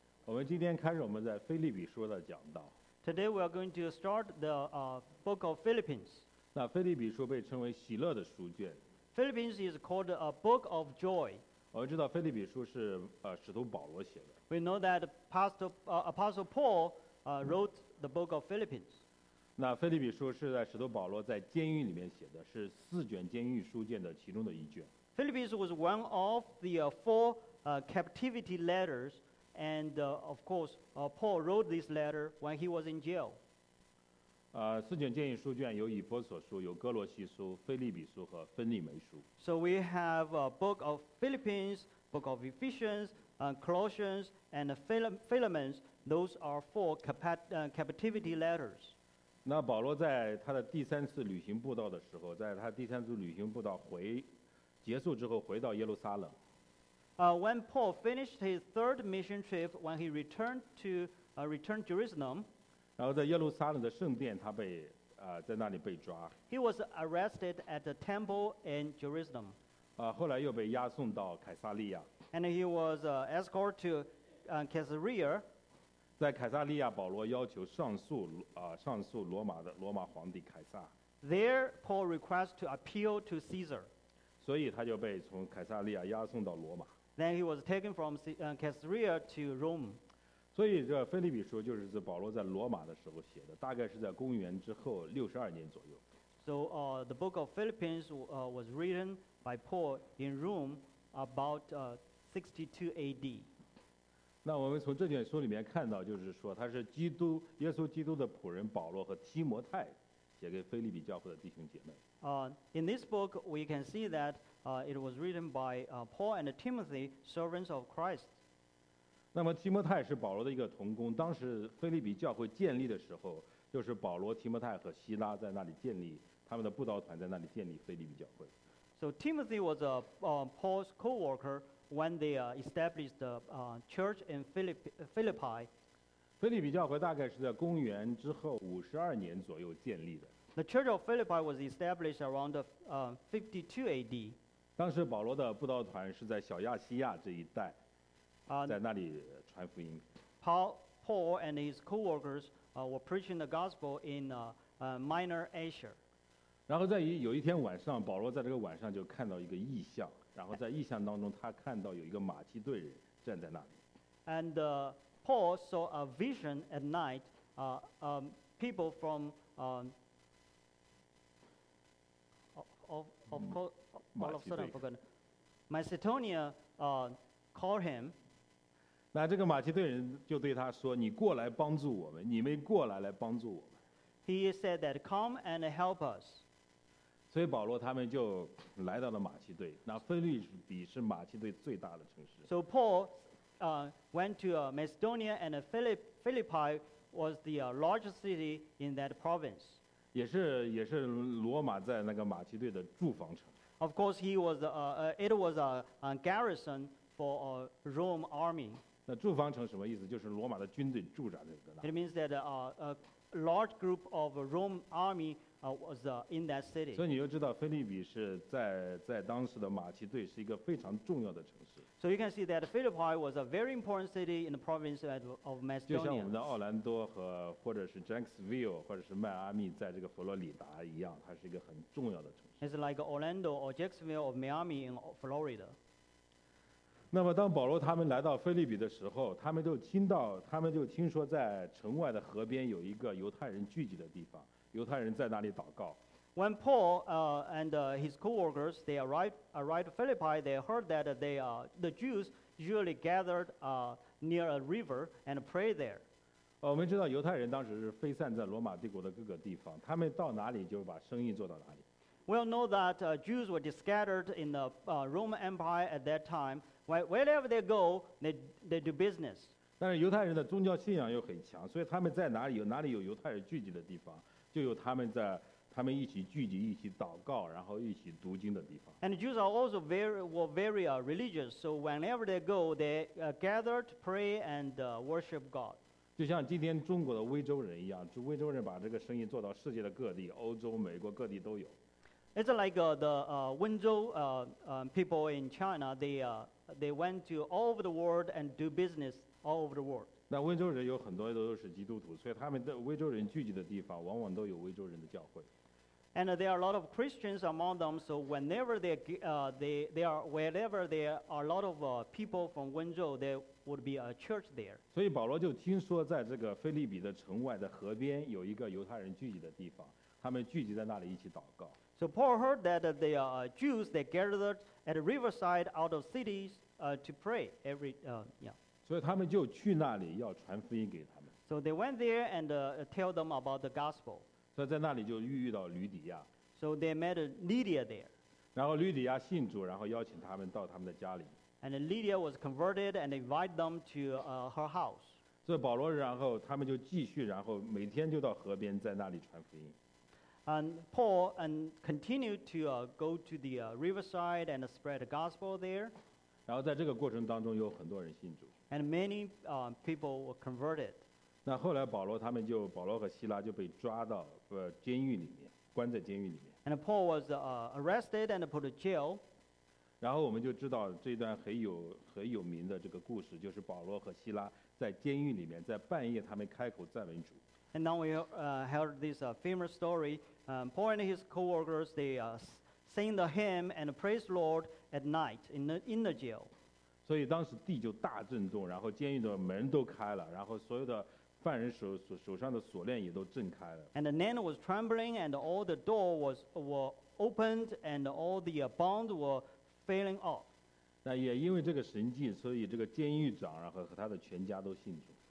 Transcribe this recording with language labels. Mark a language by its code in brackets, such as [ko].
[zh] 我们今天开始我们在腓立比书的讲道。 [en] Today we are going to start the book of Philippians. [zh] 那腓立比书被称为喜乐的书卷。 [en] Philippians is called a book of joy. [zh] 我们知道腓立比书是使徒保罗写的。 [en] We know that Apostle Paul wrote the book of Philippians. [zh] 那腓立比书是在使徒保罗在监狱里面写的，是四卷监狱书卷的其中的一卷。 [en] Philippians was one of the four captivity letters, and of course, Paul wrote this letter when he was in jail. [zh] 四卷监狱书卷有以弗所书、有哥罗西书、腓立比书和腓立门书。 [en] So we have a book of Philippians, book of Ephesians, Colossians, and Philemon. Those are four captivity letters. [zh] 那保罗在他的第三次旅行布道的时候，在他第三次旅行布道回。结束之后回到耶路撒冷。 [en] When Paul finished his third mission trip, when he returned to Jerusalem, [zh] 然后在耶路撒冷的圣殿，他被在那里被抓。 [en] He was arrested at the temple in Jerusalem. [zh] 后来又被押送到凯撒利亚。 [en] And he was escorted to Caesarea. [zh] 在凯撒利亚，保罗要求上诉罗马皇帝凯撒。 [en] There, Paul requested to appeal to Caesar. [zh] 所以他就被从凯撒利亚押送到罗马。 [en] Then he was taken from Caesarea to Rome. [zh] 所以这腓立比书就是保罗在罗马的时候写的，大概是在公元之后62年左右。 [en] So the book of Philippians was written by Paul in Rome about 62 AD. [zh] 那我们从这卷书里面看到，就是说他是基督耶稣基督的仆人保罗和提摩太写给腓立比教会的弟兄姐妹。 [en] In this book, we can see that it was written by Paul and Timothy, servants of Christ. [zh] 那么提摩太是保罗的一个同工，当时腓立比教会建立的时候，就是保罗、提摩太和希拉在那里建立他们的布道团，在那里建立腓立比教会。 [en] So Timothy was a Paul's co-worker when they established the church in Philippi. [zh] 腓立比教会大概是在公元之后52年左右建立的。 [en] The Church of Philippi was established around 52 AD. [zh] 当时保罗的布道团是在小亚细亚这一带，在那里传福音。 [en] Paul and his co-workers were preaching the gospel in Minor Asia. [zh] 然后在有一天晚上，保罗在这个晚上就看到一个异象，然后在异象当中，他看到有一个马其顿人站在那里。 [en] And Paul saw a vision at night. People from Macedonia called him. [zh] 那这个马其顿人就对他说：“你过来帮助我们，你们过来来帮助我们。” [en] He said that come and help us. [zh] 所以保罗他们就来到了马其顿。那腓立比是马其顿最大的城市。 [en] So Paul went to Macedonia and Philippi was the largest city in that province. [zh] 也是罗马在那个马其顿的驻防城。 [en] Of course, he was it was a garrison for a Rome army. [zh] 那驻防城什么意思？就是罗马的军队驻扎在那。 [en] It means that a large group of Rome army was in that city. [zh] 所以你就知道腓立比是在当时的马其顿是一个非常重要的城市。 [en] So you can see that Philippi was a very important city in the province of Macedonia. [zh] 就像我们的奥兰多和或者是 Jacksonville 或者是迈阿密在这个佛罗里达一样，它是一个很重要的城市。 [en] It's like Orlando or Jacksonville of Miami in Florida. [zh] 那么当保罗他们来到腓立比的时候，他们就听说在城外的河边有一个犹太人聚集的地方，犹太人在那里祷告。 [en] When Paul and his co-workers they arrived at Philippi, they heard that the Jews usually gathered near a river and pray there. [zh] 我们知道犹太人当时是分散在罗马帝国的各个地方，他们到哪里就把生意做到哪里。 [en] We all know that Jews were scattered in the Roman Empire at that time. Wherever they go, they do business. [zh] 但是犹太人的宗教信仰又很强，所以他们在哪里有犹太人聚集的地方，就有他们一起聚集，一起祷告，然后一起读经的地方。 [en] And Jews are also were very religious. So whenever they go, they gather to pray and worship God. [zh] 就像今天中国的温州人一样，温州人把这个生意做到世界的各地，欧洲、美国各地都有。 [en] It's like the Wenzhou people in China, they went to all over the world and do business all over the world. [zh] 那温州人有很多都是基督徒，所以他们的温州人聚集的地方往往都有温州人的教会。 [en] And there are a lot of Christians among them, so whenever there are a lot of people from Wenzhou, there would be a church there. [zh] 所以保罗就听说在这个腓立比的城外的河边有一个犹太人聚集的地方，他们聚集在那里一起祷告。 [en] So Paul heard that the Jews they gathered at the riverside out of cities to pray every [zh] 所以他们就去那里要传福音给他们。 [en] So they went there and tell them about the gospel. [zh] 所以在那里就遇到吕底亚。 [en] So they met Lydia there. [zh] 然后吕底亚信主，然后邀请他们到他们的家里。 [en] And Lydia was converted and invited them to her house. [zh] 所以保罗然后他们就继续，然后每天就到河边在那里传福音。 [en] And Paul and continued to go to the riverside and spread the gospel there. [zh] 然后在这个过程当中有很多人信主。 [en] And many people were converted. [zh] 那后来保罗他们就保罗和希拉就被抓到监狱里面，关在监狱里面。 [en] And Paul was arrested and put to jail. [zh] 然后我们就知道这段很有名的这个故事，就是保罗和希拉在监狱里面，在半夜他们开口赞美主。 [en] And now we heard this famous story. Paul and his coworkers they sing the hymn and praise the Lord at night in the jail. [zh] 所以当时地就大震动，然后监狱的门都开了，然后所有的犯人手上的锁链也都震开了。 [en] And the man was trembling, and all the door were opened, and all the bonds were falling off. [zh] 那也因为这个神迹，所以这个监狱长然后和他的全家都信主。